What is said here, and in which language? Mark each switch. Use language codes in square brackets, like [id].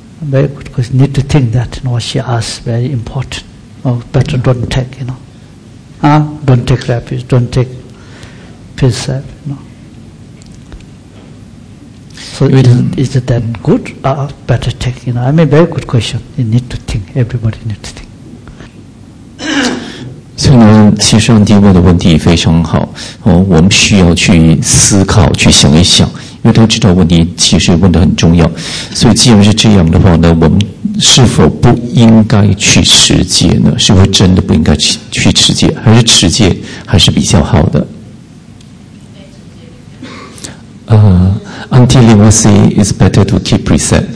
[en] Very good, because you need to think that, you know, what she asked, very important. Or better don't take, you know. Don't take refuge, don't take precept, you know. So is it then good or better take? You know, I mean, very good question. You need to think. Everybody needs to think. [zh] 所以呢，其实上帝问的问题非常好，我们需要去思考，去想一想，因为他知道问题其实问得很重要。所以既然是这样的话呢，我们是否不应该去持戒呢？是否真的不应该 去持戒？还是持戒还是比较好的？ [en] Until we see it's better to keep precept.